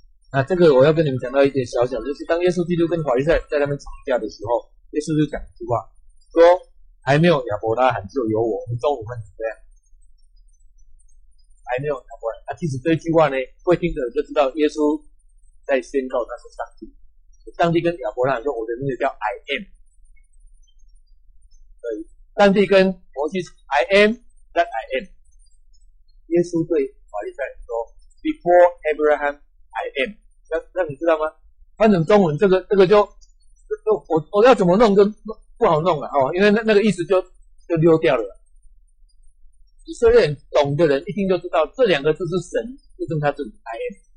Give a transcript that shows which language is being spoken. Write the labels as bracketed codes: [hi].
[zh] 那这个我要跟你们讲到一点小小，就是当耶稣基督跟法利赛在那边吵架的时候，耶稣就讲一句话，说还没有亚伯拉罕就有我，我们中文翻成这样，还没有亚伯拉罕。其实这句话呢，会听的人就知道耶稣在宣告他是上帝，上帝跟亚伯拉罕说，我的名字叫 [en] I am。 [zh] 上帝跟摩西 [en] I am that I am。 [zh] 耶稣对法利赛人说 [en] Before Abraham I am， [zh] 那你知道吗？翻成中文这个就 我要怎么弄就不好弄了、因为 那个意思就溜掉了。以色列人懂的人一定就知道这两个字是神就跟他自己 [en] I am。